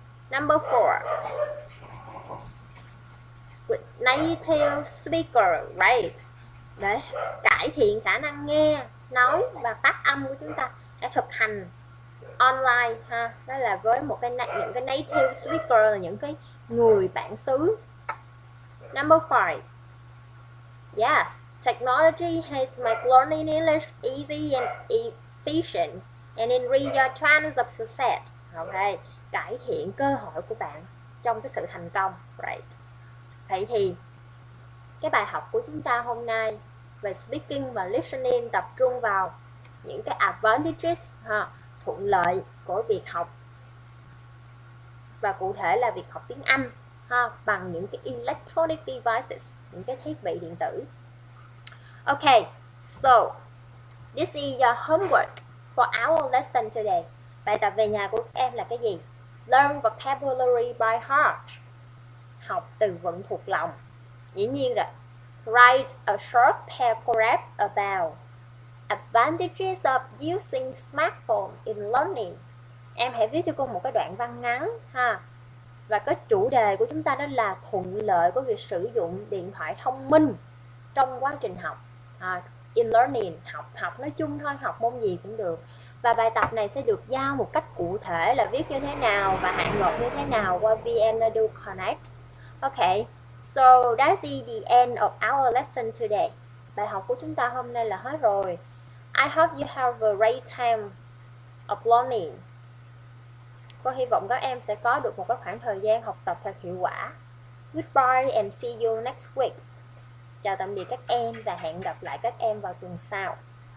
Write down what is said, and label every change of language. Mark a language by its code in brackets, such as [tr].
[en] Number 4. With native speaker, right? [vi] để cải thiện khả năng nghe, nói và phát âm của chúng ta. Hãy thực hành online ha, đó là với một cái những cái native speaker, những cái người bản xứ. [en] Number 5. Yes, technology has made learning English easy and efficient and increase your chance of success. [vi] Okay, cải thiện cơ hội của bạn trong cái sự thành công. Right. Vậy thì cái bài học của chúng ta hôm nay về speaking và listening tập trung vào những cái advantages ha, thuận lợi của việc học, và cụ thể là việc học tiếng Anh ha, bằng những cái electronic devices, những cái thiết bị điện tử. [en] Ok, so this is your homework for our lesson today. [vi] Bài tập về nhà của các em là cái gì? [en] Learn vocabulary by heart, [vi] học từ vựng thuộc lòng. Dĩ nhiên rồi, [en] write a short paragraph about advantages of using smartphone in learning. [vi] Em hãy viết cho cô một cái đoạn văn ngắn ha. Và cái chủ đề của chúng ta đó là thuận lợi của việc sử dụng điện thoại thông minh trong quá trình học. [en] In learning, [vi] học nói chung thôi, học môn gì cũng được. Và bài tập này sẽ được giao một cách cụ thể là viết như thế nào và hạn ngữ như thế nào qua VN Edu Connect. [en] Ok, so that's the end of our lesson today. [vi] Bài học của chúng ta hôm nay là hết rồi. [en] I hope you have a great time of learning. [vi] Cô hy vọng các em sẽ có được một cái khoảng thời gian học tập thật hiệu quả. [en] Goodbye and see you next week. [vi] Chào tạm biệt các em và hẹn gặp lại các em vào tuần sau.